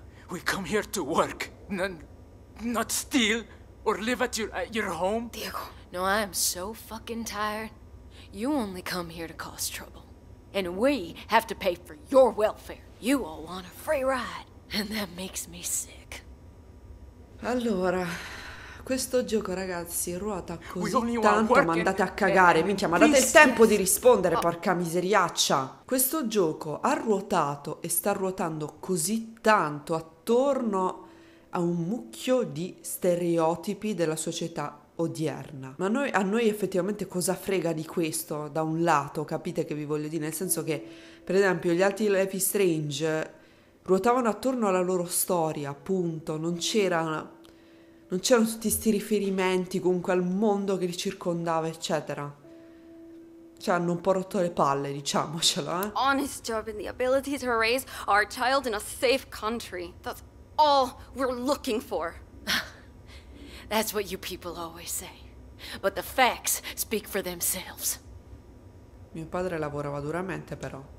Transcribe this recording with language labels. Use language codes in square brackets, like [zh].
[en] We come here to work, not steal or live at your home. Diego. No, I am so fucking tired. You only come here to cause trouble. And we have to pay for your welfare. You all want a free ride. And that makes me sick. [it] Allora, questo gioco, ragazzi, ruota così tanto, ma andate a cagare, minchia, ma date il tempo di rispondere, porca miseriaccia. Questo gioco ha ruotato e sta ruotando così tanto attorno a un mucchio di stereotipi della società odierna. Ma a noi effettivamente cosa frega di questo, da un lato, capite che vi voglio dire? Nel senso che, per esempio, gli altri Life is Strange ruotavano attorno alla loro storia, appunto, non c'erano tutti questi riferimenti comunque al mondo che li circondava, eccetera. Cioè, hanno un po' rotto le palle, diciamocelo, eh. [en] Honest job and the ability to raise our child in a safe country. That's all we're looking for. That's what you people always say. But the facts speak for themselves. [it] Mio padre lavorava duramente, però.